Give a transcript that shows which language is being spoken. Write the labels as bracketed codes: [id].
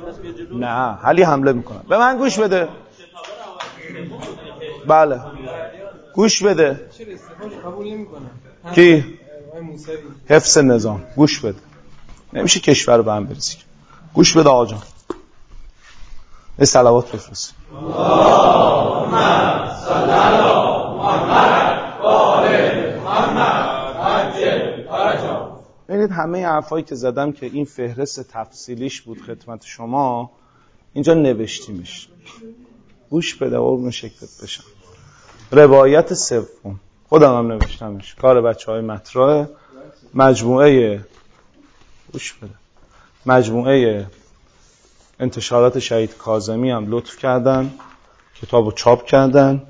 [fa] بس بیاد جلو. نه علی حمله میکنه. به من گوش بده. بله گوش بده. کی؟ حفظ نظام. گوش بده. نمیشه کشور رو به هم بریزی. گوش بده آقا جان. به صلوات بفرست. [ar] اللهم صل على محمد و آل محمد حج فرج. [fa] ببینید همه حرفایی که زدم که این فهرست تفصیلیش بود خدمت شما اینجا نوشتیمش. گوش بده قربون شکلت بشم. روایت سوم خودم هم نوشتمش، کار بچهای مطرح مجموعه گوش بده مجموعه انتشارات شهید کاظمی هم لطف کردن کتابو چاپ کردن.